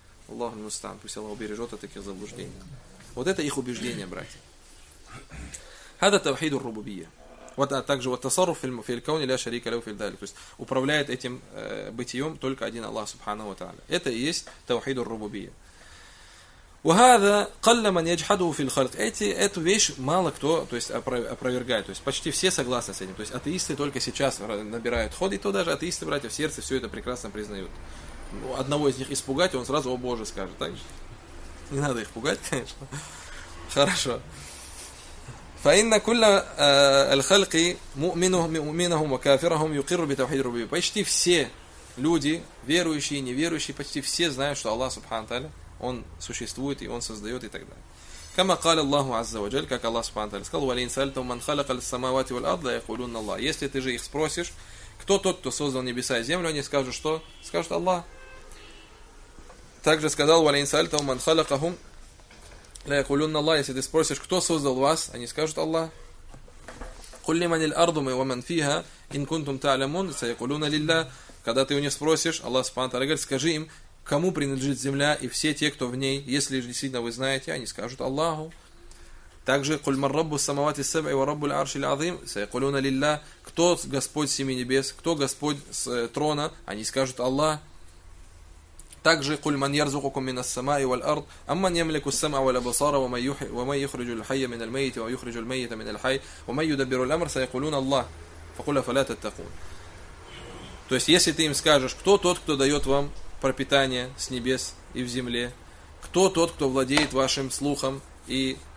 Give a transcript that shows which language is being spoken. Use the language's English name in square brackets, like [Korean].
[Russian] Аллаху мустан, пусть Аллах убережет от таких заблуждений. Вот это их убеждение, братья. Это тавхид ар-рубубия. Вот, а также вот [Arabic] тасарруф фил кауни ля шарика ля фил далик. [Russian] То есть управляет этим бытием только один Аллах Субхана ва Тааля. Это и есть тавхид ар-рубубия. [Arabic] وهذا قل من يجحده في الخلق. [Russian] Эту вещь мало кто, то есть опровергает, то есть почти все согласны с этим. То есть атеисты только сейчас набирают ход, и то даже атеисты, братья, в сердце все это прекрасно признают. Ну, одного из них испугать, он сразу: «О Боже», скажет. Так же. Не надо их пугать, конечно. [Arabic] Хорошо. فَإِنَّ كُلَّ الْخَلْقِ مُؤْمِنُهُمْ وَكَافِرَهُمْ يُقِرُّ بِتَوْحِيدِ الرُّبُوبِيَّةِ. [Russian] Почти все люди, верующие, неверующие, почти все знают, что Аллах Субхану Тааля, Он существует, и Он создает, и так далее. [Arabic] كَمَا قَالَ اللَّهُ عَزَّ وَجَلَّ, [Russian] как Аллах Субхану Тааля сказал: [Arabic] وَلَئِن سَأَلْتَهُم مَّنْ خَلَقَ السَّمَاوَاتِ وَالْأَرْضَ لَيَقُولُنَّ اللَّهُ. [Russian] Если ты же их спросишь, кто тот, кто создал небеса и землю, они скажут, что? Скажут: Аллах. [Arabic] Также сказал: وَلَئِن سَأَلْتَهُم مَّنْ خَلَقَهُمْ لَيَقُولُنَّ اللَّهُ. [Russian] Если ты спросишь, кто создал вас, они скажут: Аллах. [Arabic] قُلْ لِمَنِ الْأَرْضُ وَمَنْ فِيهَا إِن كُنْتُمْ تَعْلَمُونَ سَيَقُولُونَ لِلَّهِ. [Russian] Когда ты у них спросишь, Аллах Субхану Тааля говорит: скажи им, кому принадлежит земля и все те, кто в ней, если действительно вы знаете, они скажут: Аллаху. [Arabic] Также: قُلْ مَنْ رَبُّ السَّمَوَاتِ السَّبْعِ وَرَبُّ الْعَرْشِ الْعَظِيمِ سَيَقُولُونَ لِلَّهِ. [Russian] Кто Господь семи небес, кто Господь с трона, они скажут: Аллах. [Arabic] Также: قُلْ مَنْ يَرْزُقُكُمْ مِنَ السَّمَاءِ وَالْأَرْضِ أَمَّنْ يَمْلِكُ السَّمْعَ وَالْأَبْصَارَ وَمَنْ يُخْرِجُ الْحَيَّ مِنَ الْمَيِّتِ وَيُخْرِجُ الْمَيِّتَ مِنَ الْحَيِّ وَمَنْ يُدَبِّرُ الْأَمْرَ سَيَقُولُونَ اللَّهُ فَقُلْ أَفَلَا تَتَّقُونَ. [Russian] То есть если ты им скажешь, кто тот, кто дает вам пропитание с небес и в земле, кто тот, кто владеет вашим слухом, или